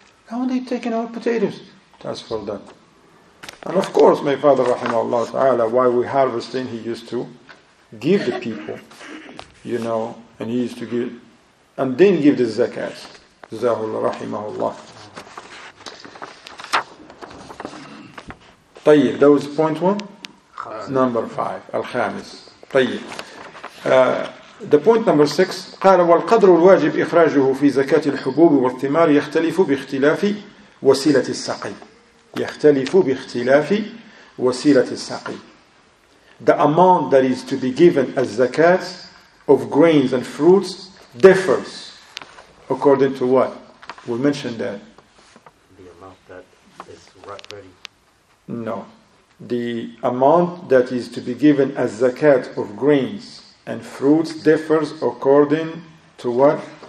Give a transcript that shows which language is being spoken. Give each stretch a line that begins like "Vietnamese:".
English: How are they taking our potatoes? That's for them. And of course, my father, rahimahullah ta'ala, while we're harvesting, he used to give the people, you know, and he used to give, and then give the zakat.
Arabic: Jazahullah, rahimahullah.
English: طيب, that was point one? Number five, Al-Khamis. طيب. The point number six,
Arabic: قال والقدر الواجب إخراجه في زكاة الحبوب والثمار يختلف باختلاف وسيلة السقي. يختلف باختلاف وسيلة السقي.
English: The amount that is to be given as zakat of grains and fruits differs according to what? We mentioned that. The amount that is ready. No. The amount that is to be given as zakat of grains and fruits differs according to what?